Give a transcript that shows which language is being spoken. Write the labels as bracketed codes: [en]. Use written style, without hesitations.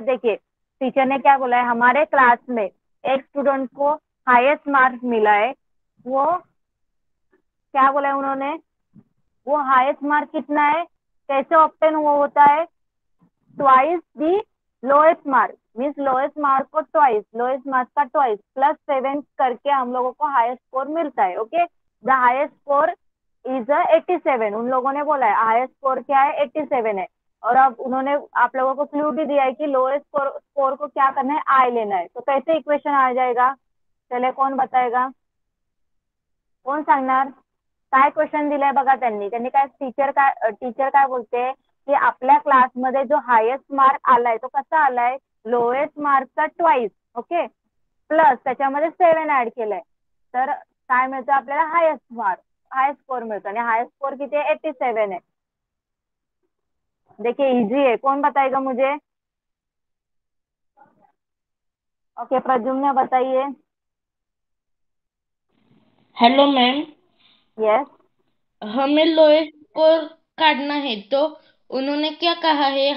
[hi] देखिए, टीचर ने क्या बोला है, हमारे क्लास में एक स्टूडेंट को हाईएस्ट मार्क्स मिला है, वो क्या बोला है उन्होंने, वो हाईएस्ट मार्क कितना है, कैसे ऑप्टेन हुआ होता है, ट्वाइस दी lowest mark, means lowest mark को ट्वाइस, लोएस्ट मार्क का ट्वाइस +7 करके हम लोगों को हाईएस्ट स्कोर मिलता है। Okay, [en] The highest score is a 87। [hi] उन लोगों ने बोला है हाईएस्ट स्कोर क्या है, 87 है। और अब उन्होंने आप लोगों को क्लू भी दिया है कि लोएस्ट स्कोर को क्या करना है, आई लेना है। तो कैसे इक्वेशन आ जाएगा, चले कौन बताएगा, [mr] कौन सांगनार, काय क्वेश्चन दिलाय बघा त्यांनी, त्यांनी काय टीचर काय बोलते है कि आपल्या क्लास मध्ये जो हायेस्ट मार्क आलाय तो कसा आलाय, लोएस्ट मार्क का ट्वाइस, ओके, प्लस त्याच्यामध्ये 7 ऍड केलंय, तर काय मिळतं आपल्याला, हायेस्ट मार्क, हायेस्ट स्कोर मिळतो, आणि हायेस्ट स्कोर किती आहे, [hi] 87 है। देखिए इजी है, कौन बताएगा मुझे? ओके, प्रद्युम्न बताइए। यस, हेलो मैम, हमें लोएस्ट स्कोर काटना है तो उन्होंने क्या कहा है?